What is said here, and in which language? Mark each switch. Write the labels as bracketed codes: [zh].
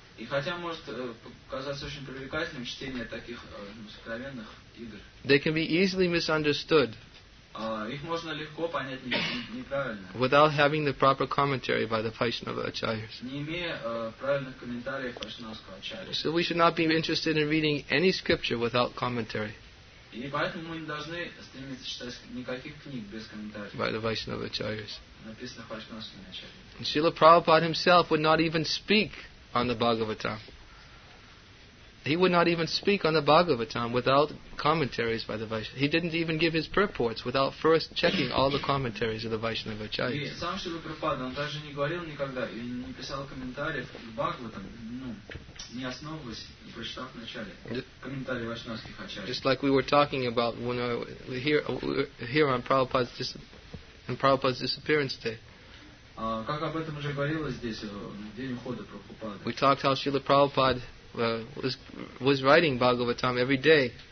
[ru] и хотя может показаться очень привлекательным чтение таких сокровенных игр, [en] they can be easily misunderstood. [ru] Их можно легко понять неправильно. [en] Without having the proper commentary by the Vaishnava Acharyas. [ru] Не имея правильных комментариев Вайшнавского Ачарьи. [en] So we should not be interested in reading any scripture without commentary. [ru] И поэтому мы не должны стремиться читать никаких книг без комментариев. [en] By the Vaishnava Acharyas. [ru] Написанных Вайшнавскими Ачарьями. [en] Śrīla Prabhupāda himself would not even speak on the Bhagavatam. He would not even speak on the Bhagavatam without commentaries by the Vaishnava. He didn't even give his purports without first checking all the commentaries of the Vaishnava Acharyas. [ru] Сам Шрила Прабхупада, он даже не говорил никогда и не писал комментариев к Бхагаватам, не основываясь и прочитав вначале комментарии Вайшнавских Ачарьев. [en] Just like we were talking about when we were here on Prabhupada's disappearance day. [ru] Как об этом уже говорилось здесь в день ухода Прабхупады. [en] We talked how Srila Prabhupada was writing Bhagavatam every day.